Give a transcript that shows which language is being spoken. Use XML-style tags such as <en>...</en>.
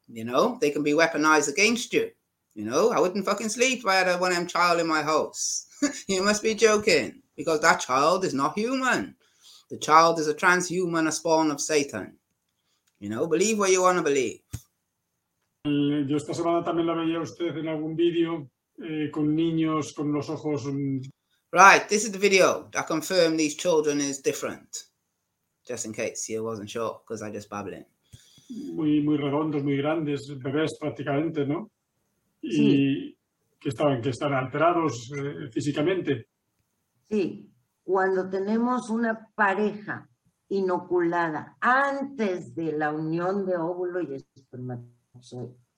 <en>You know, they can be weaponized against you. You know, I wouldn't fucking sleep if I had one of them child in my house. You must be joking, because that child is not human. The child is a transhuman, a spawn of Satan. You know, believe what you want to believe.</en> <es>Yo esta semana también la veía usted en algún video con niños con los ojos.</es> <en>Right, this is the video that confirmed these children is different. Just in case you wasn't sure, because I just babbling.</en> <es>Muy muy redondos, muy grandes, bebés prácticamente, ¿no? Y sí. que están alterados físicamente. Sí, cuando tenemos una pareja inoculada antes de la unión de óvulo y espermatozoide.</es>